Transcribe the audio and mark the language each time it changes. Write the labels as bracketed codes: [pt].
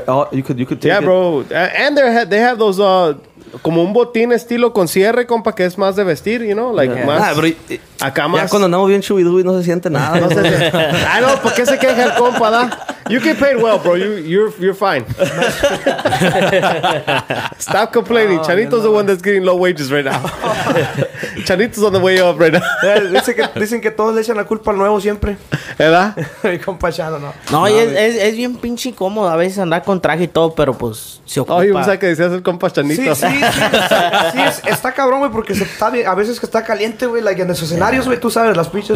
[en] You could [es] take bro. [en] And they have those, [es] como un botín estilo con cierre, compa, que es más de vestir, you know? Like, más... [en] Ah, bro, [es] acá más... Ya cuando andamos bien chubidubi no se siente nada. No sé. Ah, no, ¿por qué se queja el compa, da? [en] You get paid well, bro. You're fine. Stop complaining. Oh, Chanito's the one that's getting low wages right now. Chanito's on the way up right now. [es] dicen que todos le echan la culpa al nuevo siempre. ¿Verdad? Mi compa Chano, no. No, no es bien pinche incómodo a veces andar con traje y todo, pero pues se ocupa. Oye, ¿sabes que decías el compa Chanito? Sí, sí. Sí, está cabrón, güey, porque a veces que está caliente, güey, like, en esos escenarios, güey, tú sabes, las pinches.